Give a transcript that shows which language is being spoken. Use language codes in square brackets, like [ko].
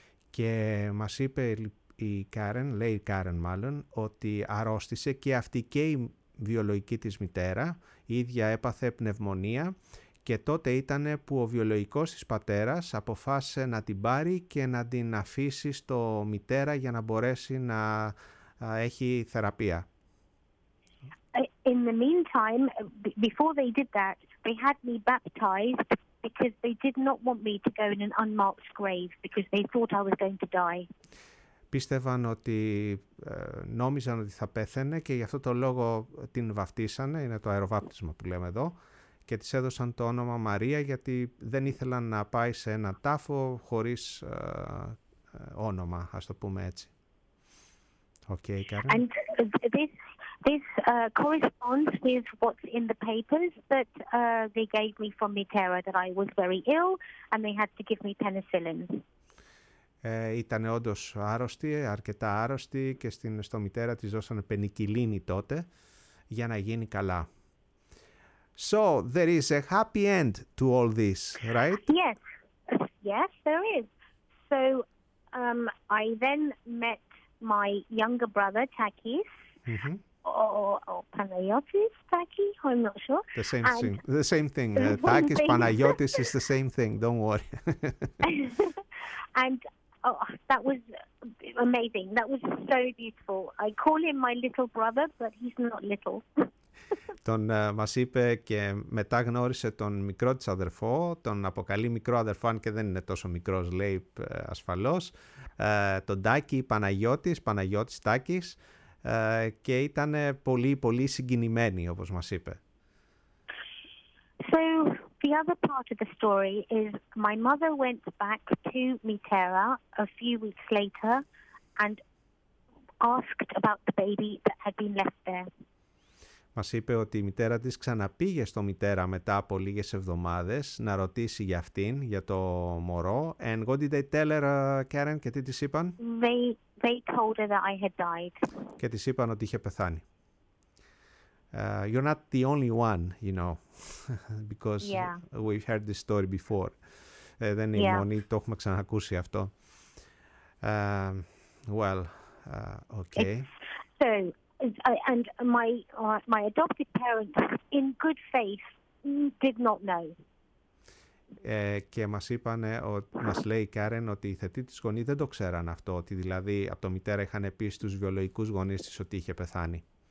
[el] Και μας είπε η Κάρεν, λέει η Κάρεν μάλλον, ότι αρρώστησε και αυτή και η βιολογική της μητέρα, η ίδια έπαθε πνευμονία και τότε ήταν που ο βιολογικός της πατέρας αποφάσισε να την πάρει και να την αφήσει στο Mitera για να μπορέσει να έχει θεραπεία. [en] In the meantime, before they did that, they had me baptized because they did not want me to go in an unmarked grave because they thought I was going to die. [el] Πίστευαν ότι νόμιζαν ότι θα πέθαινε και γι' αυτό το λόγο την βαφτίσανε, είναι το αεροβάπτισμα που λέμε εδώ, και της έδωσαν το όνομα Μαρία γιατί δεν ήθελαν να πάει σε ένα τάφο χωρίς όνομα, ας το πούμε έτσι. [en] Okay, Karen. And this corresponds with what's in the papers that they gave me from Mitera, that I was very ill and they had to give me penicillin. [el] Ήταν όντως άρρωστη, αρκετά άρρωστη και στο Mitera της δώσανε πενικυλίνη τότε για να γίνει καλά. [en] So there is a happy end to all this, right? Yes, yes, there is. So I then met my younger brother Takis, or Panayotis Taki, I'm not sure. The same thing. Takis Panayotis is the same thing. Don't worry. And that was amazing. That was so beautiful. I call him my little brother, but he's not little. [el] Τον μας είπε και μετά γνώρισε τον μικρό της αδερφό, τον αποκαλεί μικρό αδερφό, αν και δεν είναι τόσο μικρός, λέει ασφαλώς, τον Τάκη Παναγιώτης Τάκης, και ήταν πολύ πολύ συγκινημένοι, όπως μας είπε. [en] So the other part of the story is my mother went back to Mitera a few weeks later and asked about the baby that had been left there. [el] Μας είπε ότι η μητέρα της ξαναπήγε στο Mitera μετά από λίγες εβδομάδες να ρωτήσει για αυτήν, για το μωρό. [en] And what did they tell her, Karen, [el] και τι της είπαν? [en] They told her that I had died. [el] Και της είπαν ότι είχε πεθάνει. [en] You're not the only one, you know, because yeah. We've heard this story before. [el] Δεν είναι [en] yeah. [el] η μόνη, το έχουμε ξανακούσει αυτό. [en] Well, okay. And my adopted parents, in good faith, did not know. [el] Και μας είπανε, μας λέει η Κάρεν, ότι οι θετοί της γονείς δεν το ξέραν αυτό, ότι δηλαδή από το Mitera είχαν πει στους βιολογικούς γονείς της ότι είχε πεθάνει.